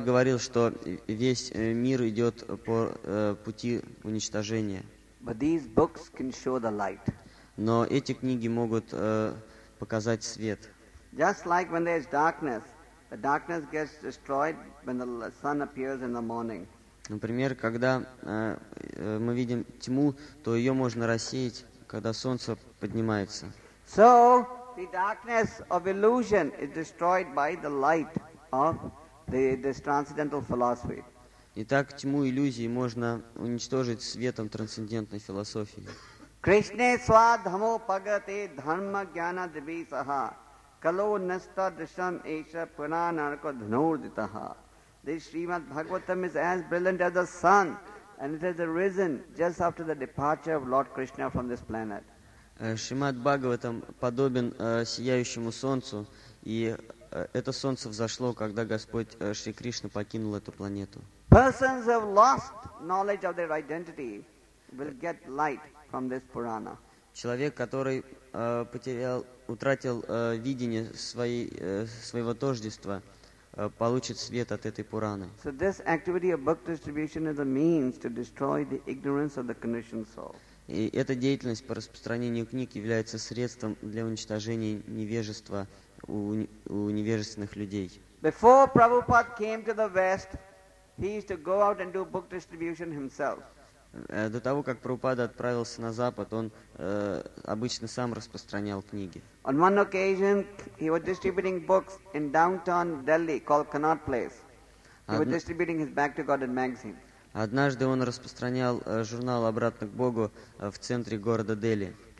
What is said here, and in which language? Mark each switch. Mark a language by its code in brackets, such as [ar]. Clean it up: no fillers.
[ru] говорил, что весь мир идет по пути уничтожения. [en] But these books can show the light. [ru] Но эти книги могут показать свет. [en] Just like when there is darkness, the darkness gets destroyed when the sun appears in the morning. [ru] Например, когда мы видим тьму, то ее можно рассеять, когда солнце поднимается. [en] So the darkness of illusion is destroyed by the light of this transcendental philosophy. [ru] Итак, тьму иллюзии можно уничтожить светом трансцендентной философии. [sa] Krishne swadhamo pagate dharma gyana divisaha kalo nasta drisham esha punanarko dhanurditaha. [en] This Srimad Bhagavatam is as brilliant as the sun, and it has arisen just after the departure of Lord Krishna from this planet. [ru] Srimad Bhagavatam подобен сияющему солнцу, и это солнце взошло, когда Господь Шри Кришна покинул эту планету. [en] Persons have lost knowledge of their identity will get light from this Purana. [ru] Человек, который утратил видение своего тождества, получит свет от этой Пураны. [en] So this activity of book distribution is a means to destroy the ignorance of the conditioned soul. [ru] И эта деятельность по распространению книг является средством для уничтожения невежества у невежественных людей. [en] Before Prabhupada came to the West, he used to go out and do book distribution himself. [ru] До того, как Прабхупада отправился на Запад, он обычно сам распространял книги. [en] On one occasion, he was distributing books in downtown Delhi called Connaught Place. He was distributing his Back to Godhead magazine. [ru] Однажды он распространял журнал «Обратно к Богу» в центре города Дели.